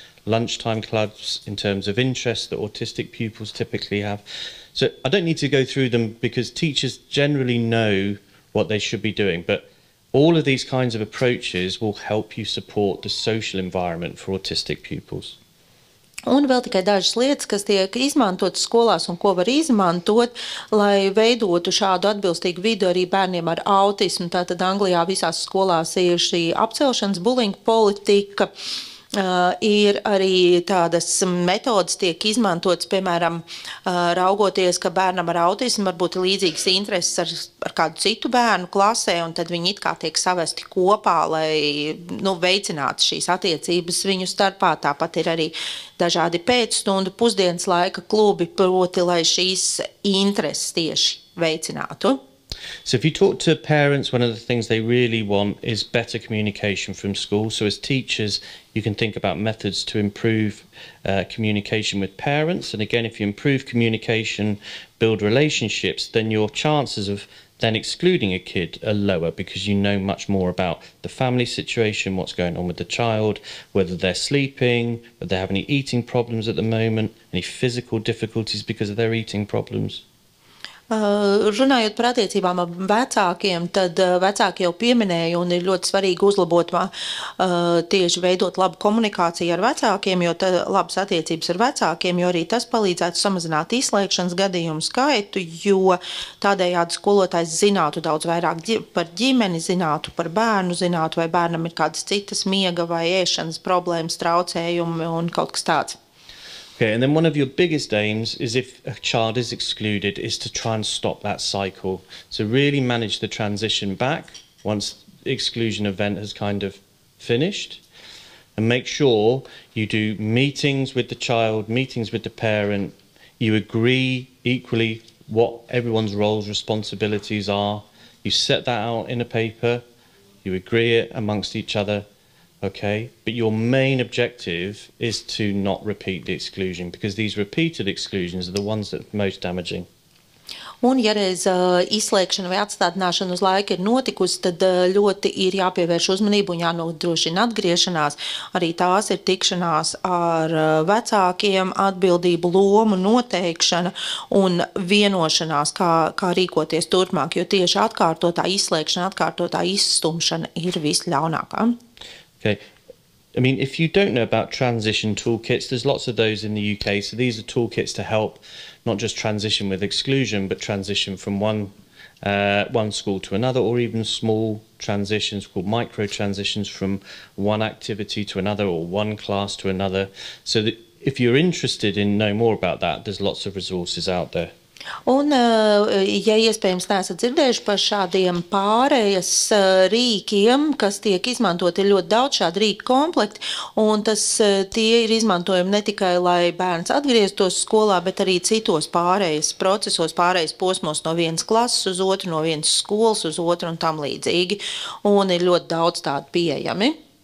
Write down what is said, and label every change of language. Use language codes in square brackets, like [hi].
[en] Lunchtime clubs in terms of interest that autistic pupils typically have. So I don't need to go through them because teachers generally know what they should be doing, but all of these kinds of approaches will help you support the social environment for autistic pupils. [lv] Un vēl tikai dažas lietas, kas tiek izmantotas skolās un ko var izmantot, lai veidotu šādu atbilstīgu vidu arī bērniem ar autismu. Tātad Anglijā visās skolās ir šī apcelšanas bullying politika. Ir arī tādas metodas tiek izmantotas, piemēram, raugoties, ka bērnam ar autismu varbūt līdzīgas intereses ar kādu citu bērnu klasē, un tad viņi it kā tiek savesti kopā, lai nu, veicinātu šīs attiecības viņu starpā. Tāpat ir arī dažādi pēcstundu pusdienas laika klubi, proti, lai šīs intereses tieši veicinātu. [en] So if you talk to parents, one of the things they really want is better communication from school. So as teachers, you can think about methods to improve communication with parents. And again, if you improve communication, build relationships, then your chances of then excluding a kid are lower because you know much more about the family situation, what's going on with the child, whether they're sleeping, whether they have any eating problems at the moment, any physical difficulties because of their eating problems. [lv] Runājot par attiecībām ar vecākiem, tad vecāki jau pieminēja un ir ļoti svarīgi uzlabot tieši veidot labu komunikāciju ar vecākiem, jo labas attiecības ar vecākiem, jo arī tas palīdzētu samazināt izslēgšanas gadījumu skaitu, jo tādējādi skolotājs zinātu daudz vairāk par ģimeni, zinātu par bērnu, zinātu, vai bērnam ir kādas citas miega vai ēšanas problēmas, traucējumi un kaut kas tāds. [en] Okay, and then one of your biggest aims is if a child is excluded is to try and stop that cycle. So really manage the transition back once the exclusion event has kind of finished. And make sure you do meetings with the child, meetings with the parent. You agree equally what everyone's roles, responsibilities are. You set that out in a paper. You agree it amongst each other. Okay, but your main objective is to not repeat the exclusion because these repeated exclusions are the ones that are most damaging. [lv] Un, ja reiz izslēgšana vai atstādināšana uz laika ir notikusi, tad ļoti ir jāpievērš uzmanību un jānodrošina atgriešanās. Arī tās ir tikšanās ar vecākiem, atbildību lomu, noteikšana un vienošanās, kā rīkoties turpmāk, jo tieši atkārtotā izslēgšana, atkārtotā izstumšana ir visļaunākā. [en] Okay, I mean, if you don't know about transition toolkits, there's lots of those in the UK. So these are toolkits to help not just transition with exclusion, but transition from one school to another, or even small transitions called micro transitions from one activity to another or one class to another. So that if you're interested in knowing more about that, there's lots of resources out there. [lv] Un, ja iespējams neesat dzirdējuši par šādiem pārējas rīkiem, kas tiek izmantoti, ir ļoti daudz šādu rīku komplekti, un tie ir izmantojami ne tikai, lai bērns atgrieztos skolā, bet arī citos pārējas procesos, pārējas posmos no vienas klases uz otru, no vienas skolas uz otru un tam līdzīgi, un ir ļoti daudz tādu pieejami.